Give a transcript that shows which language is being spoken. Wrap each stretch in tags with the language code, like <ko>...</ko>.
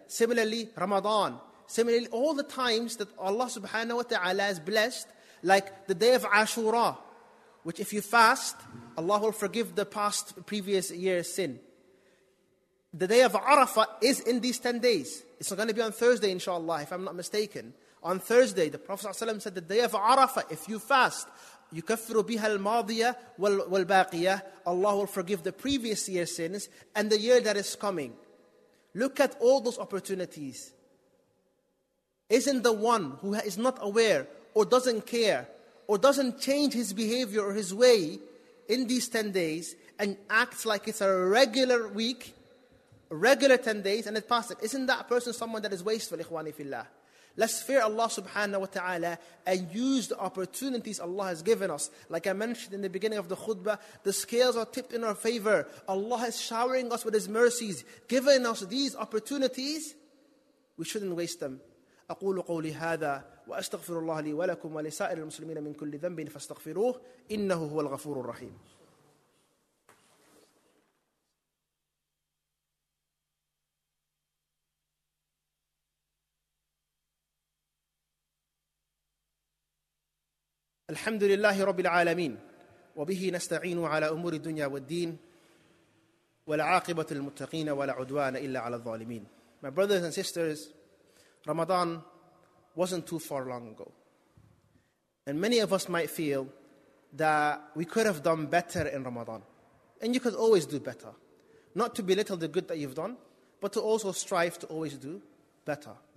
<en>Similarly, Ramadan. Similarly, all the times that Allah subhanahu wa ta'ala is blessed, like the day of Ashura, which if you fast, Allah will forgive the past previous year's sin. The day of Arafah is in these 10 days. It's not going to be on Thursday, inshallah, if I'm not mistaken. On Thursday, the Prophet ﷺ said, the day of Arafah, if you fast,</en> <ar>يكفر بها الماضية والباقية.</ar> <en>Allah will forgive the previous year's sins and the year that is coming. Look at all those opportunities. Isn't the one who is not aware or doesn't care or doesn't change his behavior or his way in these 10 days and acts like it's a regular week, regular 10 days and it passes, isn't that person someone that is wasteful,</en> <ar>ikhwani fillah?</ar> <en>Let's fear Allah subhanahu wa ta'ala and use the opportunities Allah has given us. Like I mentioned in the beginning of the khutbah, the scales are tipped in our favor. Allah is showering us with His mercies, giving us these opportunities. We shouldn't waste them.</en> <ar>أقول قولي هذا وأستغفر الله لي ولكم ولسائر المسلمين من كل ذنب فاستغفروه إنه هو الغفور الرحيم. الحمد لله رب العالمين وبه نستعين على أمور الدنيا والدين والعاقبة للمتقين ولا عدوان إلا على الظالمين.</ar> <en>My brothers and sisters, Ramadan wasn't too far long ago. And many of us might feel that we could have done better in Ramadan. And you could always do better. Not to belittle the good that you've done, but to also strive to always do better.</en>